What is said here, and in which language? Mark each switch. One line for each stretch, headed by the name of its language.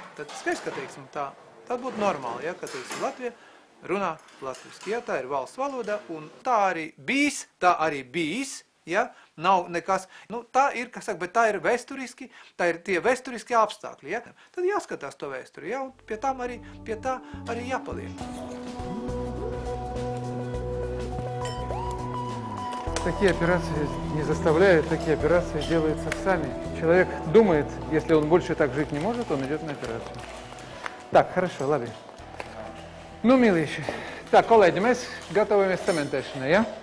Latvian: Tad skaidrs, ka teiksim, tā būtu normāli, ja, ka teiksim, Latvija runā latviski, ja, tā ir valsts valoda, un tā arī bijis, ja, nav nekas, nu, tā ir, kas saka, bet tā ir vēsturiski, tā ir tie vēsturiski apstākļi, ja, tad jāskatās to vēsturi, ja, un pie tā arī jāpaliek.
Russian: Такие операции не заставляют, такие операции делаются сами. Человек думает, если он больше так жить не может, он идет на операцию. Так, хорошо, лови.
Latvian: Nu, mīlīši, tā, kolēģi, mēs gatavojamies cementēšanai, ja?